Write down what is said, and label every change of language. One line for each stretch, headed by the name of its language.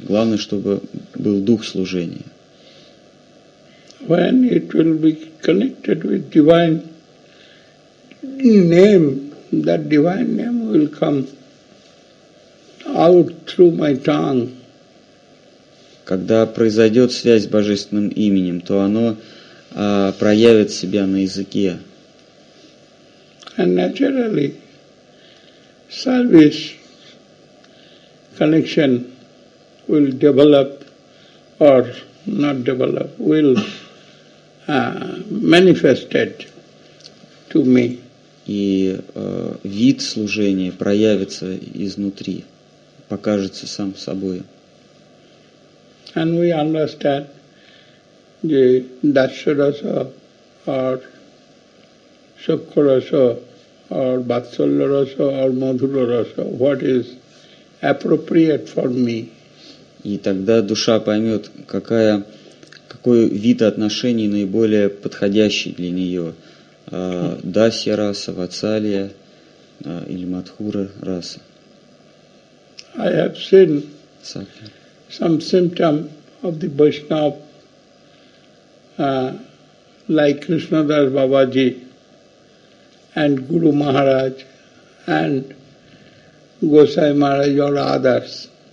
Russian: Главное, чтобы был дух служения.
English: When it will be connected with divine name, that divine name will come out through my tongue.
Russian: Когда произойдет связь с божественным именем, то оно проявит себя на языке.
English: And naturally, service connection will develop or not develop, will manifested to me.
Russian: И вид служения проявится изнутри, покажется сам собой.
English: And we understand the Dasarasa or Sukhurasa or Vatsalarasa or Madhurarasa, what is appropriate for me.
Russian: И тогда душа поймет, какая какой вид отношений наиболее подходящий для нее? Дасья раса, Вацалия или Мадхура раса?
English: I have seen some symptom of the Vaishnava, like Krishnadas Babaji and Guru Maharaj and Gosai Maharaj or others.